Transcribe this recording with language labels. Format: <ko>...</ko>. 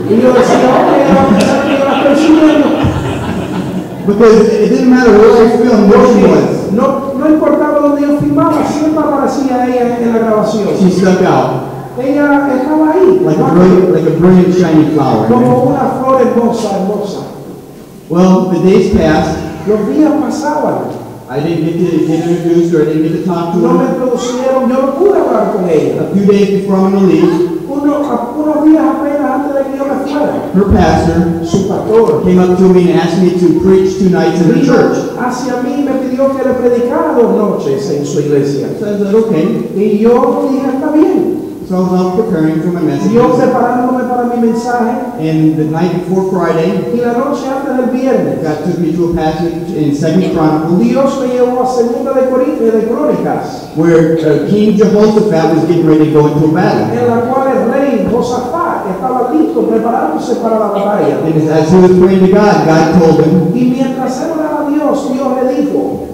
<es>Y yo decía, hombre, ella va a pensar que yo la estoy siguiendo.</es> <en>Because it didn't matter where I filmed, where she was.</en> <es>No, no importaba donde yo filmaba, siempre aparecía ella en la grabación.</es> <en>She stuck out.</en> <es>Ella estaba ahí.</es> <en>Like a brilliant shiny flower.</en> <es>Como una flor hermosa, hermosa.</es> <en>Well, the days passed.</en> <es>Los días pasaban.</es> <en>I didn't get to get introduced or I didn't get to talk to her.</en> <es>No me no pude hablar con ella.</es> <en>A few days before I'm going to leave.</en> <es>Unos días apenas antes de que yo me fuera.</es> <en>Her pastor,</en> <es>su pastor,</es> <en>came up to me and asked me to preach two nights in the church.</en> <es>Hacia mí me pidió que le predicara dos noches en su iglesia.</es> <en>So I said, okay.</en> <es>Y yo dije, está bien.</es> <en>So I was out preparing for my message.</en> <es>Y yo preparándome para mi mensaje.</es> <en>And the night before Friday.</en> <es>Y la noche antes del viernes.</es> <en>God took me to a passage in 2 Chronicles.</en> <es>Dios me llevó a segunda de Crónicas.</es> <en>Where King Jehoshaphat was getting ready to go into a battle.</en> <es>En la cual el rey Jehoshaphat estaba listo preparándose para la batalla.</es> <en>And as he was praying to God, God told him.</en> <es>Y mientras él oraba a Dios, Dios le dijo.</es>